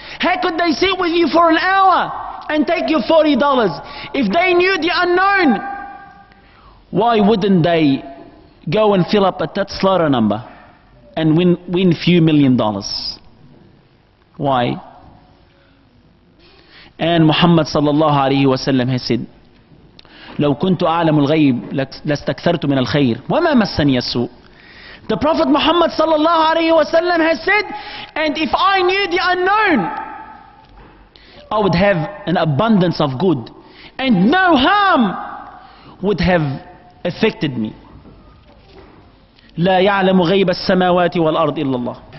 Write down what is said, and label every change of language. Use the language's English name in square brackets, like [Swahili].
[English] How could they sit with you for an hour and take your $40? If they knew the unknown, why wouldn't they go and fill up a Tatslara number and win a few million dollars? Why? And Muhammad sallallahu alayhi wa sallam has said, [Arabic] لو كنت أعلم الغيب لاستكثرت من الخير وما مسني السوء. [English] The Prophet Muhammad sallallahu alayhi wa sallam has said, and if I knew the unknown, I would have an abundance of good and no harm would have affected me. [Arabic] لا يعلم غيب السماوات والأرض إلا الله.